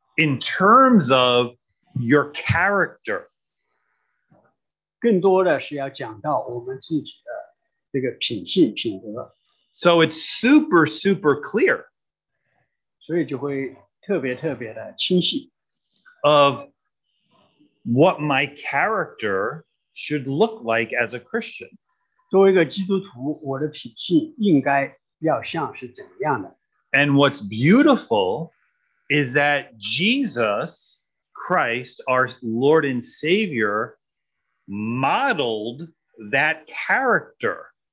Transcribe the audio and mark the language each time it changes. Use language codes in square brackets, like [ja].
[en] In terms of your character, [zh] 更多的是要讲到我们自己的这个品性品格。 [en] So it's super, super clear. [zh] 所以就会特别特别的清晰。 [en] Of what my character should look like as a Christian. [zh] 作为一个基督徒，我的品性应该要像是怎样的？ [en] And what's beautiful is that Jesus Christ, our Lord and Savior, modeled that character.